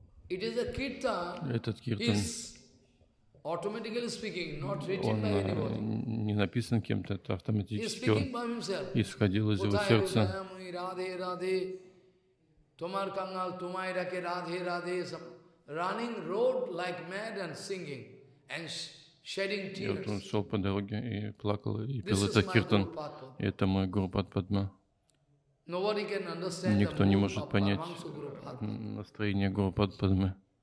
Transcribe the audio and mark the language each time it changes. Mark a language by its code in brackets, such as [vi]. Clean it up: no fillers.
[en] It is a kirtan. [ru] Этот киртан, [en] automatically speaking, not written by anybody. [ru] Он не написан кем-то, это автоматически. [en] He is speaking by himself. [ru] Исходил из его сердца. [bn] Утаи радхе радхе, тумар кангал тумай раке радхе радхе. [en] Running road like mad and singing and shedding tears. [ru] И вот он шел по дороге и плакал и пел этот киртан. Это мой Гуру Падма. [en] Nobody can understand. [ru] Никто не может понять настроение Гуру Падмы.